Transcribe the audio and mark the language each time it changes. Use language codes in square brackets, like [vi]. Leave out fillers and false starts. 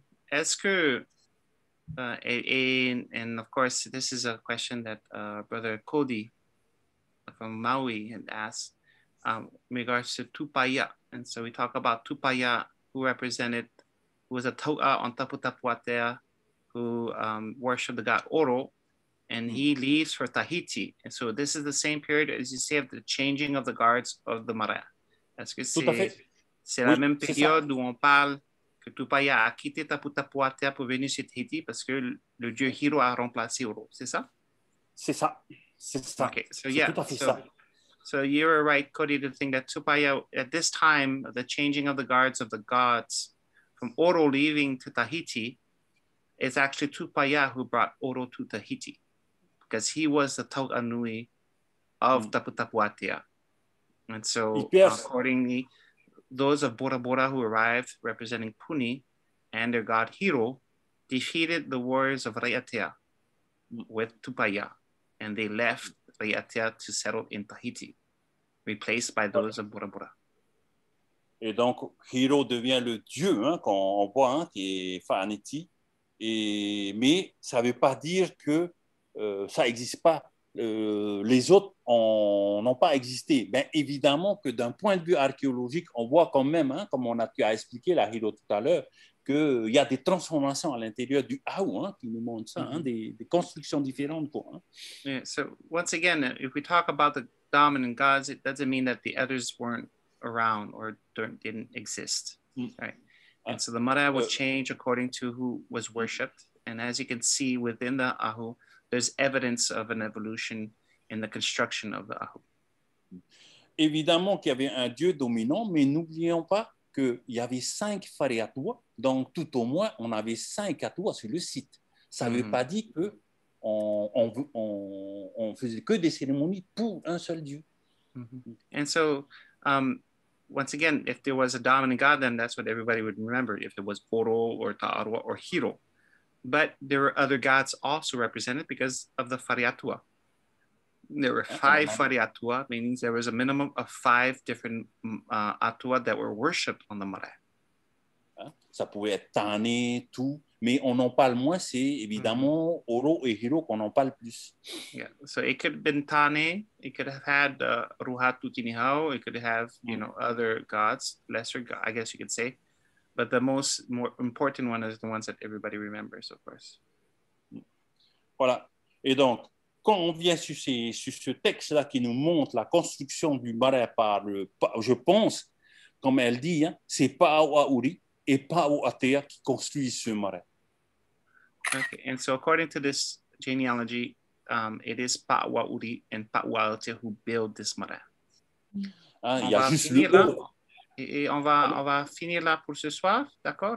[fr] Est-ce que, [en] and of course, this is a question that Brother Cody from Maui and asked in regards to Tupaya. And so we talk about Tupaya, who represented, who was a Tau'a on Taputapuātea, who worshiped the god Oro, and he leaves for Tahiti. And so this is the same period, as you say, of the changing of the guards of the Marae. [fr] Est-ce que c'est la même période où on parle que Tupaya a quitté Taputapuātea pour venir sur Tahiti parce que le dieu Hiro a remplacé Oro, c'est ça? C'est ça. [en] Okay, so yeah, so you were right, Cody, to think that Tupaya, at this time, the changing of the guards of the gods from Oro leaving to Tahiti, is actually Tupaya who brought Oro to Tahiti. because he was the Tau Anui of Taputapuātea. And so accordingly, those of Bora Bora who arrived representing Puni and their god Hiro defeated the warriors of Raʻiātea with Tupaia, and they left Raʻiātea to settle in Tahiti, replaced by those of Bora Bora. [fr] Et donc, Hiro devient le dieu hein, qu'on voit, hein, qui est Fa'aneti. Mais ça ne veut pas dire que ça n'existe pas. Les autres n'ont pas existé. Bien évidemment que d'un point de vue archéologique, on voit quand même, hein, comme on a pu expliquer la Hiro tout à l'heure, qu'il y a des transformations à l'intérieur du Aou, hein, qui nous montrent ça, hein, des constructions différentes. Quoi, hein. [en] Yeah, so, once again, if we talk about the dominant gods, it doesn't mean that the others weren't around or didn't exist, right? And so the mara will change according to who was worshipped. And as you can see within the Ahu, there's evidence of an evolution in the construction of the Ahu. [fr] Évidemment qu'il y avait un dieu dominant, mais n'oublions pas qu'il y avait cinq Fariatua, donc tout au moins on avait cinq Atua sur le site. Ça ne veut pas dire qu'on faisait que des cérémonies pour un seul dieu. [en] And so, once again, if there was a dominant god, then that's what everybody would remember, if it was Oro or Ta'arua or Hiro. But there were other gods also represented because of the Fariatua. There were five Fariatua, meaning there was a minimum of five different Atua that were worshipped on the Marais. [fr] Ça pouvait être Tane, tout, mais on en parle moins, c'est évidemment Oro et Hiro qu'on en parle plus. [en] Yeah, so it could have been Tane, it could have had Ruhatutinihau, it could have, you know, other gods, lesser gods, I guess you could say. But the more important one is the ones that everybody remembers, of course. [fr] Voilà, et donc, quand on vient sur ce texte-là qui nous montre la construction du marais par le... Je pense, comme elle dit, hein, c'est pas Awauri, et pas au Atea qui construit ce marais. [en] Okay, and so according to this genealogy, it is Pa'uauri and Pa'uauatea who build this marais. [fr] On va finir là pour ce soir, d'accord?